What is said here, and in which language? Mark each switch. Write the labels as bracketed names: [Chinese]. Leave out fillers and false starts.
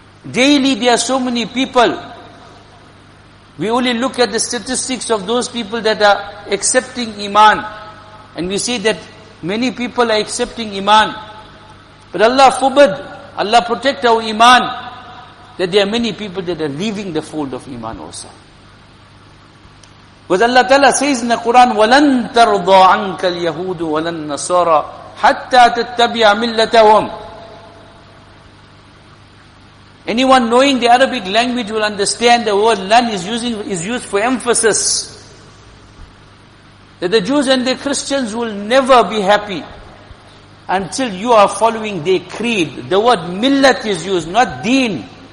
[English] Daily there are so many people. We only look at the statistics of those people that are accepting iman, and we see that many people are accepting iman. But Allah forbid, Allah protect our iman, that there are many people that are leaving the fold of iman also. Because Allah Ta'ala says in the Quran, [Arabic] وَلَن تَرْضَى عَنْكَ الْيَهُودُ وَلَن نَصَارَى حَتَّى تَتَّبِعَ مِلَّتَهُمْ. [English] Anyone knowing the Arabic language will understand the word lan is used for emphasis. That the Jews and the Christians will never be happy until you are following their creed. The word millat is used, not deen.